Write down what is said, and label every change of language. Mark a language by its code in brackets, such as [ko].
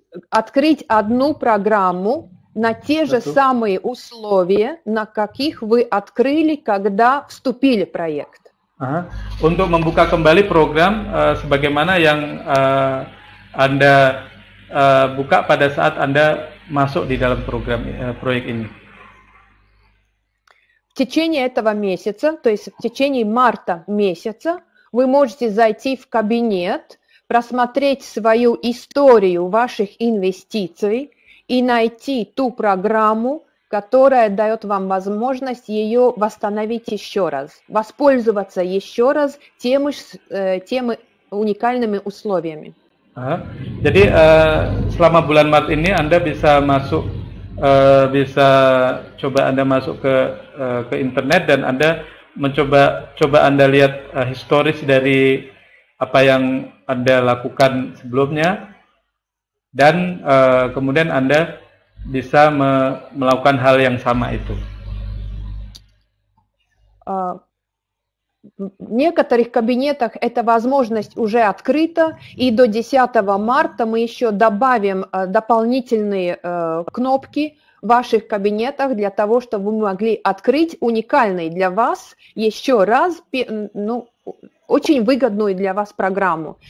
[ru] Открыть одну программу на те же самые условия, на каких вы открыли, когда вступили в проект. [id] Untuk membuka kembali program sebagaimana yang Anda buka pada saat Anda masuk di dalam program proyek ini. [ru] В течение этого месяца, то есть в течение марта месяца, вы можете зайти в кабинет, просмотреть свою историю ваших инвестиций и найти ту программу, которая дает вам возможность ее восстановить еще раз, воспользоваться еще раз теми уникальными условиями. [id] Jadi selama bulan Maret ini Anda bisa masuk, bisa coba Anda masuk ke internet dan Anda mencoba Anda lihat historis dari apa yang Anda lakukan sebelumnya dan kemudian Anda bisa melakukan hal yang sama itu. [ru] В некоторых кабинетах эта возможность уже открыта, и до 10 марта мы еще добавим дополнительные кнопки в ваших кабинетах для того, чтобы вы могли открыть уникальный для вас еще раз, ну, очень выгодную для вас программу.